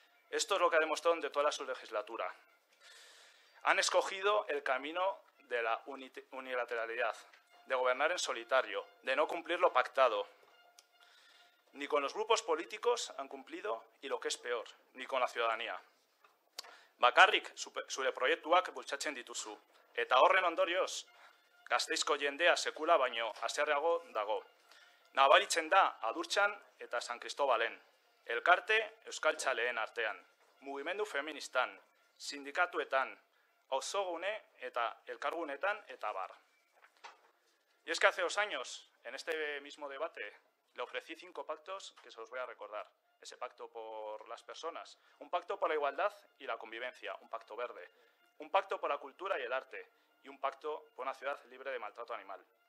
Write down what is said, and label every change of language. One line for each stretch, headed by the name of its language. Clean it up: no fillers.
Spanish: Esto es lo que ha demostrado durante toda su legislatura. Han escogido el camino de la unilateralidad, de gobernar en solitario, de no cumplir lo pactado. Ni con los grupos políticos han cumplido, y lo que es peor, ni con la ciudadanía.
Basque: Bakarrik zure proiektuak bultzatzen dituzu. Eta horren ondorioz, Gasteizko jendea sekula baino haserreago dago. Nabaritzen da Adurtxan eta San Kristobalen, Elkarte Euskaltzaleen artean, Mugimendu Feministan, Sindikatuetan, Auzogune eta Elkargunetan eta bar.
Spanish: Y es que hace 2 años, en este mismo debate, le ofrecí 5 pactos que se os voy a recordar. Ese pacto por las personas, un pacto por la igualdad y la convivencia, un pacto verde, un pacto por la cultura y el arte y un pacto por una ciudad libre de maltrato animal.